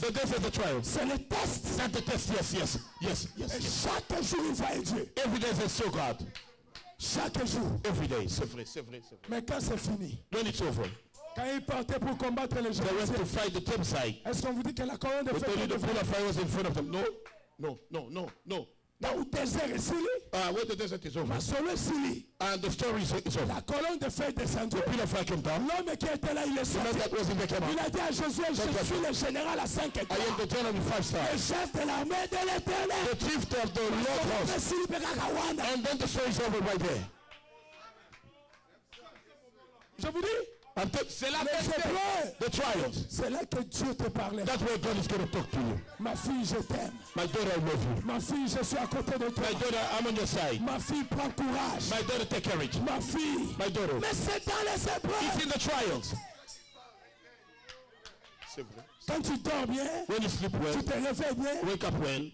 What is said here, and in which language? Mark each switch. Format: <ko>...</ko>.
<en>The desert is the trial.</en> <fr>C'est le test.</fr> <en>That's the test, yes, yes, yes, yes.</en> <fr>Et chaque jour, ils voient Dieu.</fr> <en>Every day they saw God.</en> <fr>Chaque jour.</fr> <en>Every day.</en> <fr>C'est vrai, c'est vrai, c'est vrai. Mais quand c'est fini.</fr> <en>When it's over.</en> <fr>Quand ils partaient pour combattre les gens,</fr> <en>they went to fight the temple site.</en> <fr>Est-ce qu'on vous dit que la colonne de feu était</fr> <en>devant? The pillar of fire was in front of them. No, no, no, no, no.</en> <fr>Dans le désert est fini.</fr> <en>Ah, where the desert is over.</en> <fr>Mais sur le Sinaï.</fr> <en>And the story is over.</en> <fr>La colonne de feu descendit.</fr> <en>The pillar of fire came down.</en> <fr>L'homme qui était là, il est sorti.</fr> <en>The man that was in there came out.</en> <fr>Il a dit à Jésus, je suis le général à 5 étoiles.</fr> <en>I am the general of 5 stars.</en> <fr>Le chef de l'armée de l'Éternel.</fr> <en>The chief of the Lord host. And then the story is over right there.</en> <fr>Je vous dis. C'est la tête.</fr> <en>The trials.</en> <fr>C'est là que Dieu te parlait.</fr> <en>That's where God is going to talk to you.</en> <fr>Ma fille, je t'aime.</fr> <en>My daughter, I love you.</en> <fr>Ma fille, je suis à côté de toi.</fr> <en>My daughter, I'm on your side.</en> <fr>Ma fille, prends courage.</fr> <en>My daughter, take courage.</en> <fr>Ma fille.</fr> <en>My daughter.</en> <fr>Mais c'est dans les épreuves.</fr> <en>It's in the trials.</en> <fr>C'est vrai. Quand tu dors bien,</fr> <en>when you sleep well,</en> <fr>tu te réveilles bien,</fr> <en>wake up well,</en>